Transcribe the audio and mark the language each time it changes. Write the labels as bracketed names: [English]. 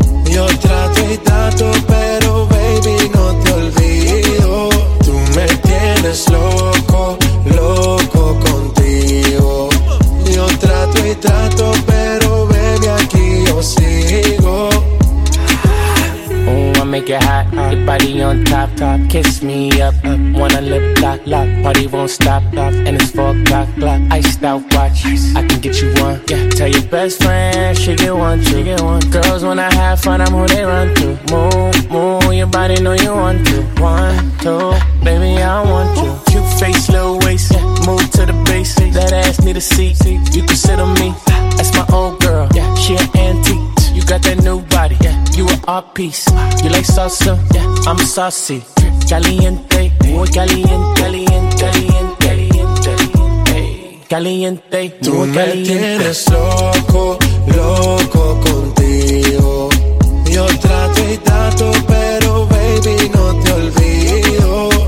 [Spanish] Yo trato y trato, pero baby, no te olvido. Tú me tienes loco, loco contigo. Yo trato y trato, pero baby, aquí yo sigo. [English] Make it hot, your body on top, top. Kiss me up, up. Wanna lip lock, lock. Party won't stop, stop. And it's 4 o'clock, iced out watch. Ice. I can get you one, yeah. Tell your best friend, she get one, she get one. Girls wanna have fun, I'm who they run to. Move, move, your body know you want to. One, two, baby, I want you. Cute face, little waist, yeah. Move to the bass. That ass need a seat, you can sit on me. That's my old girl, yeah. She an antique. You got that new body, yeah. You an art piece. You like salsa, yeah. I'm saucy. [Spanish] Caliente, muy caliente, caliente, caliente, caliente, caliente. Tú me tienes loco, loco contigo. Yo trato y trato, pero baby, no te olvido.